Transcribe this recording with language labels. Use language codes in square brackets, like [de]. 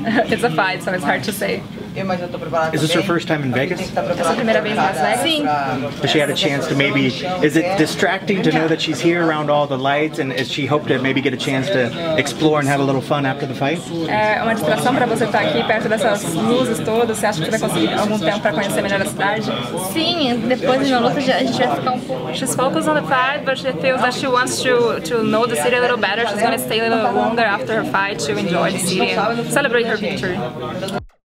[en] It's a fight, so it's hard to say. Is this her first time in Vegas? [pt] Sim. [en] She had a chance to maybe. Is it distracting to know that she's here around all the lights, and is she hope to maybe get a chance to explore and have a little fun after the fight? [pt] É uma distração para você estar aqui perto dessas luzes todas. Você acha que vai conseguir algum tempo para conhecer melhor a cidade? Sim. Depois de uma luta, a gente vai ficar um pouco. [en] She's focused on the fight, but she feels that she wants to know the city a little better. She's gonna stay a little longer after her fight to enjoy the city and celebrate her victory.